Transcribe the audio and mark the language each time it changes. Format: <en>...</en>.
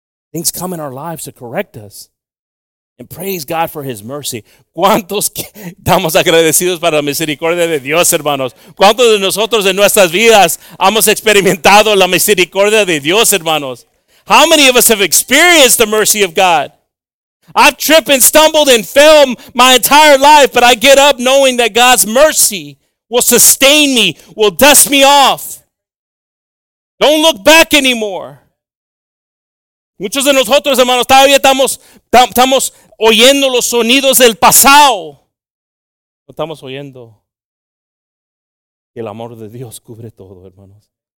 <en>Things come in our lives to correct us. And praise God for his mercy.</en> <es>¿Cuántos estamos agradecidos para la misericordia de Dios, hermanos? ¿Cuántos de nosotros en nuestras vidas hemos experimentado la misericordia de Dios, hermanos?</es> <en>How many of us have experienced the mercy of God? I've tripped and stumbled and fell my entire life, but I get up knowing that God's mercy will sustain me, will dust me off. Don't look back anymore.</en> <es>Muchos de nosotros, hermanos, todavía estamos oyendo los sonidos del pasado. No estamos oyendo que el amor de Dios cubre todo, hermanos.</es>